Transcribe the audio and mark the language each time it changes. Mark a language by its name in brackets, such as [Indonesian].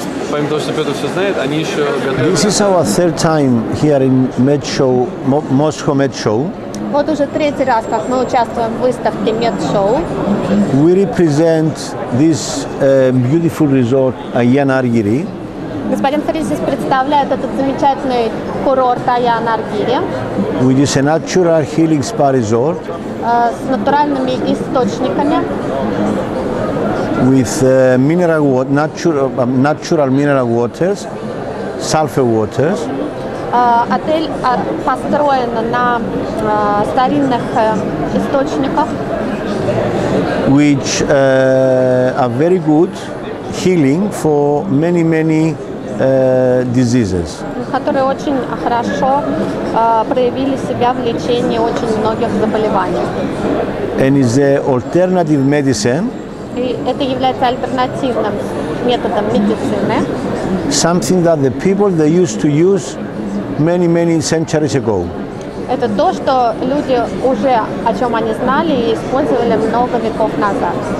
[Russian] Помимо того, что Петр все знает, они еще готовят... [English] This is our third time here in MedShow, Moscow MedShow. [Russian] Вот уже третий раз, как мы участвуем в выставке MedShow. [English] We represent this beautiful resort, Ayan Argyri. [Russian] Господин Фарис здесь представляет этот замечательный курорт Ayan Argyri. [English] Which is a natural healing spa resort. [Russian] С натуральными источниками. [English] With mineral water, natural mineral waters, sulfur waters. [Russian] Отель построен на старинных источниках. [English] Which are very good healing for many, many diseases. [Russian] Которые очень хорошо проявили себя в лечении очень многих заболеваний. [English] And is the alternative medicine. [Russian] И это является альтернативным методом медицины. [English] Something that the people they used to use many, many centuries ago. [Russian] Это то, что люди уже, о чем они знали и использовали много веков назад.